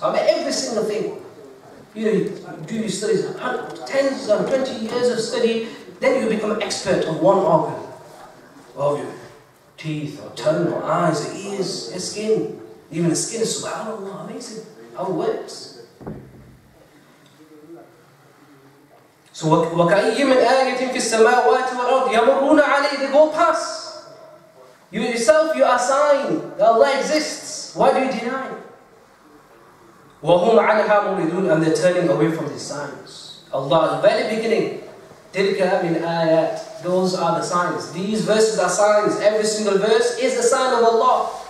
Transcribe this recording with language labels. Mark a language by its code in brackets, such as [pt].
[en] I mean, every single thing. You know, you do these studies, tens and 20 years of study, then you become an expert of one organ. Of your teeth, or tongue, or eyes, or ears, your skin. Even the skin is subhanAllah, amazing how it works. [ar] So, وَكَأَيِّ مِنْ آيَةٍ فِي السَّمَاوَاتِ وَالْأَرْضِ يَمُرُّونَ عَلَيْهِ [en] They go past. You yourself, you are a sign that Allah exists. Why do you deny? [ar] وَهُمْ عَلَيْهَا مُرِدُونَ [en] And they're turning away from these signs. Allah, at the very beginning, [ar] تِلْكَ مِنْ آيَاتٍ [en] Those are the signs. These verses are signs. Every single verse is a sign of Allah.